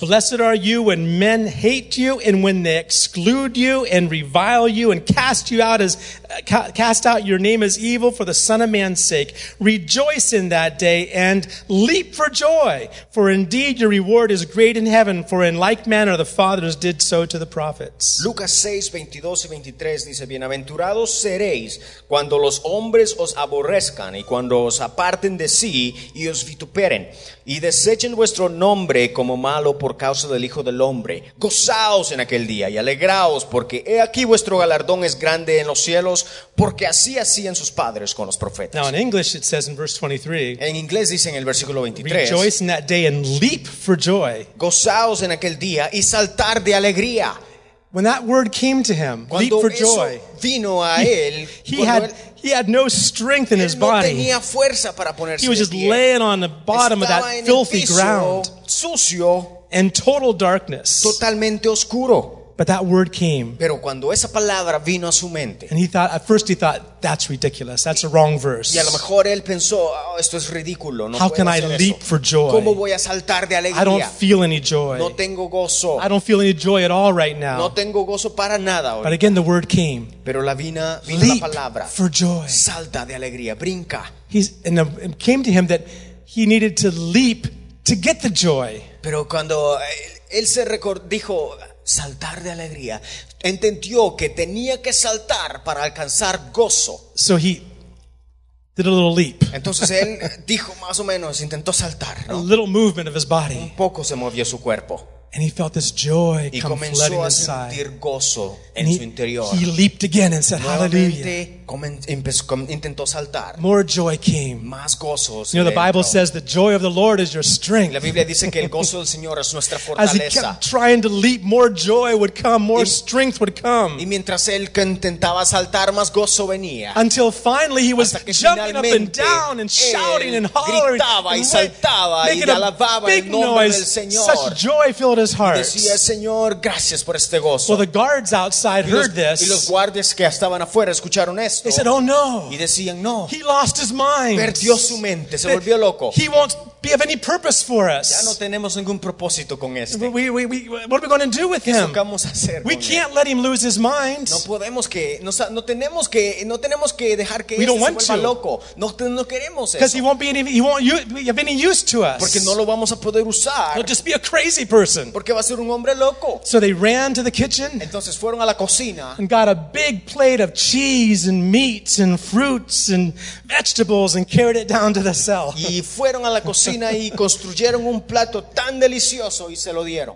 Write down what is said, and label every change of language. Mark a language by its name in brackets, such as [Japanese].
[English] Blessed are you when men hate you and when they exclude you and revile you and cast you out as cast out your name as evil for the Son of Man's sake. Rejoice in that day and leap for joy, for indeed your reward is great in heaven, for in like manner the fathers did so to the prophets. [Spanish] Lucas 6, 22 y 23 dice: Bienaventurados seréis cuando los hombres os aborrezcan y cuando os aparten de sí y os vituperen y desechen vuestro nombre como malo por causa del Hijo del Hombre. Gozaos en aquel día y alegraos, porque he aquí vuestro galardón es grande en los cielos, porque así hacían sus padres con los profetas. [English] Now in English it says in verse 23. [Spanish] En inglés dice en el versículo 23. [English] Rejoice in that day and leap for joy. [Spanish] Gozaos en aquel día y saltar de alegría. [English] When that word came to him, [Spanish] cuando [English] leap for joy. [Spanish] Vino a él, [English] he had no strength in his body. [Spanish] No tenía fuerza para ponerse. [English] He was just laying on the bottom [Spanish] estaba [English] of that filthy ground. [Spanish] Sucio. [English] In total darkness. [Spanish] Totalmente oscuro. [English] But that word came. [Spanish] Pero cuando esa palabra vino a su mente. [English] And he thought, at first he thought, that's ridiculous. That's a wrong verse. [Spanish] Y a lo mejor él pensó, oh, esto es ridículo. No [English] How can I leap [Spanish] eso. [English] For joy? [Spanish] ¿Cómo voy a saltar de alegría? [English] I don't feel any joy. [Spanish] No tengo gozo. [English] I don't feel any joy at all right now. [Spanish] No tengo gozo para nada ahorita. [English] But again, the word came. [Spanish] Pero la vina, vino [English] leap [Spanish] la palabra. [English] For joy. [Spanish] Salta de alegría, brinca. [English] It came to him that he needed to leap to get the joy. [Spanish] Pero cuando él se dijo, saltar de alegría, entendió que tenía que saltar para alcanzar gozo. [English] So he did a little leap. [Spanish] Entonces él dijo más o menos, intentó saltar, ¿no? [English] A little movement of his body. [Spanish] Un poco se movió su cuerpo. [English] And he felt this joy come flooding inside. [Spanish] Y comenzó a sentir gozo en su interior. [English] He leaped again and said, "Hallelujah!" [Spanish] Intentó saltar. [English] More joy came. [Spanish] Más gozo. [English] You know, the Bible says the joy of the Lord is your strength. [Spanish] La Biblia dice que el gozo del Señor es nuestra fortaleza. [English] As he kept trying to leap, more joy would come, more strength would come. [Spanish] Y mientras él intentaba saltar, más gozo venía. [English] Until finally, he was jumping up and down and shouting and hollering. [Spanish] Gritaba y saltaba y alababa el nombre del Señor. [English] Such joy filled his heart. [Spanish] Y decía, Señor, gracias por este gozo. [English] Well, the guards outside heard this. [Spanish] Y los guardias que estaban afuera escucharon esto. [English] They said, "Oh no!" [Spanish] Y decían, no. [English] He lost his mind. [Spanish] Perdió su mente. Se volvió loco. [English] He won't be of any purpose for us. [Spanish] Ya no tenemos ningún propósito con este. [English] What are we going to do with him? [Spanish] ¿Qué vamos a hacer? [English] We can't let him lose his mind. [Spanish] No tenemos que dejar que él se vuelva loco. No queremos eso. Because he won't be of any use to us. Porque no lo vamos a poder usar. He'll just be a crazy person. Porque va a ser un hombre loco. [English] So they ran to the kitchen. [Spanish] Entonces fueron a la cocina. [English] And got a big plate of cheese and meats and fruits and vegetables and carried it down to the cell. [Spanish] Y fueron a la cocina. Y construyeron un plato tan delicioso y se lo dieron.